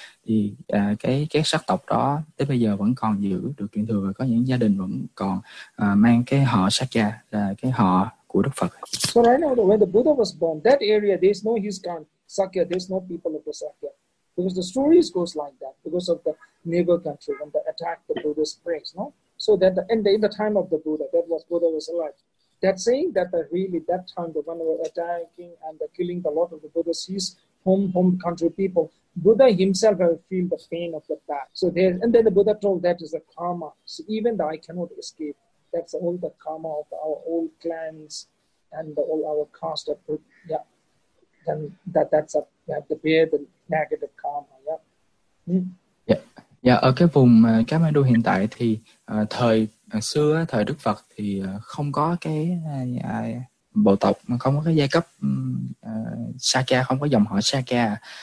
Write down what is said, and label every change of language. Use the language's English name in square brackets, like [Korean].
[Vietnamese] Thì cái sắc tộc đó tới bây giờ vẫn còn giữ được truyền thừa, và có những gia đình vẫn còn mang cái họ Sakya, là cái họ của Đức Phật. [English] So right now, when the Buddha was born, that area there's no his kind Sakya, there's no people of the Sakya, because the stories goes like that, because of the neighbor country when they attack the Buddhist place, no? So that in the time of the Buddha, that was Buddha was alive. That saying that the really that time the one were attacking and the killing a lot of the Buddhists, his home country people. Buddha himself will feel the pain of the bad. So there, and then the Buddha told that is the karma. So even though I cannot escape, that's all the karma of our old clans and all our caste. Of, yeah, then that's a have to bear the negative karma. Yeah. Yeah. [Vietnamese] Ở cái vùng Kathmandu hiện tại thì thời xưa thời Đức Phật thì không có cái bộ tộc, không có cái giai cấp Sakya, không có dòng họ Sakya.